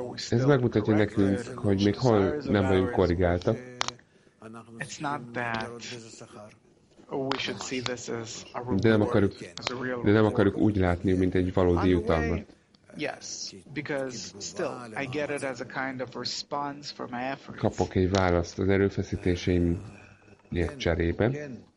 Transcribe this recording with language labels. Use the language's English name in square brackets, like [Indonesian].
[Hungarian] Ez megmutatja nekünk, hogy még hol nem vagyunk korrigáltak. [English] It's not that we should see this as a reward, [Hungarian] De nem akarjuk úgy látni, mint egy valódi jutalmat. [English] Yes, because still I get it as a kind of response for my efforts. [Hungarian] Kapok egy választ az erőfeszítéseimért cserébe.